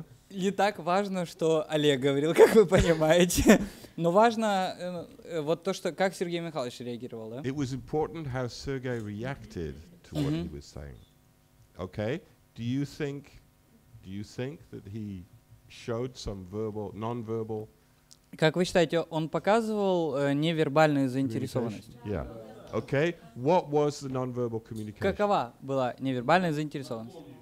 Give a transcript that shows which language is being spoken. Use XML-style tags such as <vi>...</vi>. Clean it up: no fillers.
<ru>Не так важно, что Олег говорил, как вы понимаете. Но важно вот то, что как Сергей Михайлович реагировал.</ru> <en>It was important how Sergey reacted to what he was saying. Okay? Do you think that he showed some verbal, non-verbal?</en> <ru>Как вы считаете, он показывал невербальную заинтересованность?</ru> <en>Yeah. Okay. What was the non-verbal communication?</en> <ru>Какова была невербальная заинтересованность?</ru>